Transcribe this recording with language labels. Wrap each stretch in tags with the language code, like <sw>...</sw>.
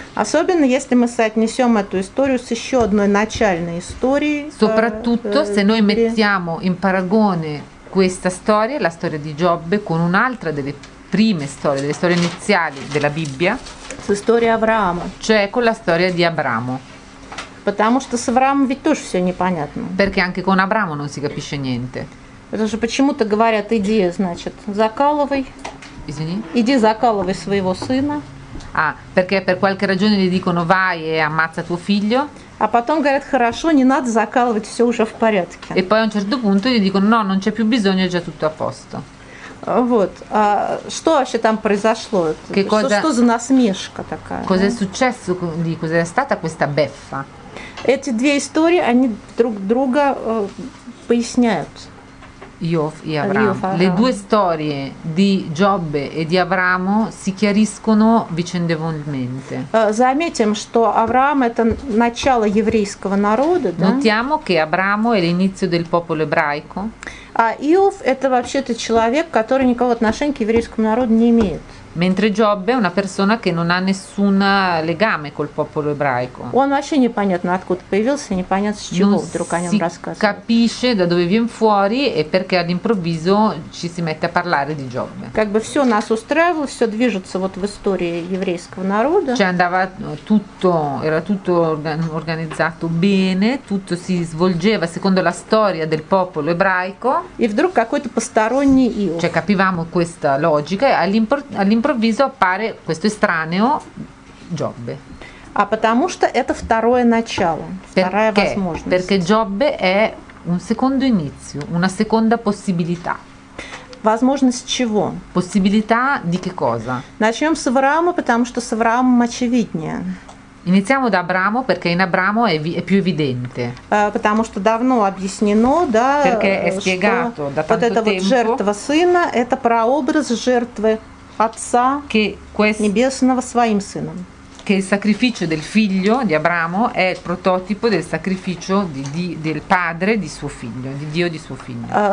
<ru>Особенно если мы соотнесем эту историю с еще одной начальной историей.</ru> <it>Soprattutto se noi mettiamo in paragone questa storia, la storia di Giobbe, con un'altra delle prime storie, delle storie iniziali della Bibbia. Storia Abramo. Cioè con la storia di Abramo.</it> <ru>Потому что с Авраамом ведь тоже все непонятно.</ru> <it>Perché anche con Abramo non si capisce niente.</it> <ru>Потому что почему-то говорят идея, значит, закалывай. Извини. Иди закалывай своего сына.</ru> <it>А, perché per qualche ragione gli dicono vai e ammazza tuo figlio.</it> <ru>А потом говорят, хорошо, не надо закалывать, все уже в порядке.</ru> <it>E poi a un certo punto gli dicono no, non c'è più bisogno, è già tutto a posto.</it> <ru>Вот. А что вообще там произошло?</ru> <it>Che cosa,</it> <ru>что за насмешка такая?</ru> <it>Cosa è successo lì? Cosa è stata questa beffa?</it> <ru>Эти две истории, они друг друга поясняют. Иов и Авраам.</ru> <it>Le due storie di Giobbe e di Abramo si chiariscono vicendevolmente.</it> <ru>Заметим, что Авраам это начало еврейского народа, да?</ru> <it>Notiamo che Abramo è l'inizio del popolo ebraico.</it> <ru>А Иов это вообще-то человек, который никакого отношения к еврейскому народу не имеет.</ru> <it>Mentre Giobbe è una persona che non ha nessun legame col popolo ebraico.</it> <ru>Он вообще непонятно откуда появился, непонятно с чего вдруг о нем рассказывают.</ru> <it>Non capisce da dove viene fuori e perché all'improvviso ci si mette a parlare di Giobbe.</it> <ru>Как бы все нас устраивало, все движется вот в истории еврейского народа.</ru> <it>Cioè andava tutto, era tutto organizzato bene, tutto si svolgeva secondo la storia del popolo ebraico.</it> <ru>И вдруг какой-то посторонний Иов.</ru> <it>Cioè capivamo questa logica e all'improvviso appare questo estraneo Giobbe.</it> <ru>А потому что это второе начало, вторая возможность.</ru> <it>Perché Giobbe è un secondo inizio, una seconda possibilità.</it> <ru>Возможность чего?</ru> <it>Possibilità di che cosa?</it> <ru>Начнем с Авраама, потому что с Авраамом очевиднее.</ru> <it>Iniziamo da Abramo perché in Abramo è più evidente.</it> <ru>Потому что давно объяснено, да,</ru> <it>perché è spiegato da tanto tempo.</it> <ru>Вот эта вот жертва сына – это прообраз жертвы Отца Небесного своим сыном.</ru> <it>Che il sacrificio del figlio di Abramo è il prototipo del sacrificio del padre di suo figlio, di Dio di suo figlio.</it>